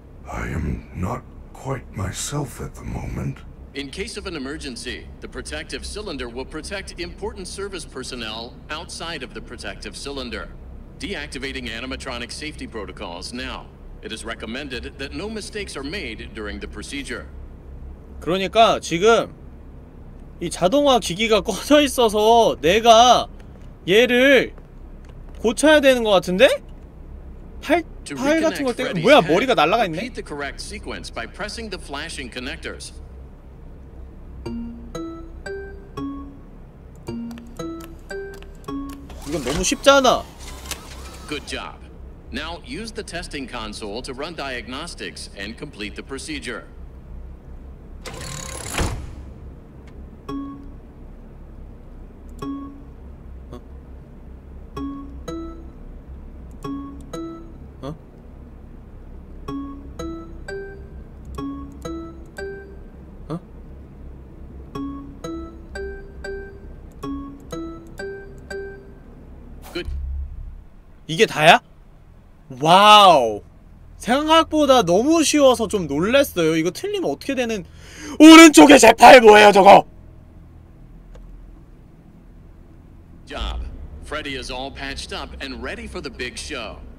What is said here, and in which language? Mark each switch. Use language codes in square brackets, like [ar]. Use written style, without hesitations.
[en] I am not quite myself at the moment. In case of an emergency, the protective cylinder will protect important service personnel outside of the protective cylinder. Deactivating animatronic safety protocols now. It is recommended that no mistakes are made during the procedure. [ko] 그러니까 지금 이 자동화 기기가 꺼져 있어서 내가 얘를 고쳐야 되는 것 같은데? 팔 같은 걸 떼고 뭐야 머리가 날라가 있네. [en] Repeat the correct sequence by pressing the flashing connectors. [ko] 이건 너무 쉽잖아. [en] Good job. Now use the testing console to run diagnostics and complete the procedure. [ko] 이게 다야? 와우! 생각보다 너무 쉬워서 좀 놀랐어요. 이거 틀리면 어떻게 되는... 오른쪽에 제 팔 뭐예요 저거! [en] Job. Freddy is all patched up and ready for the big show.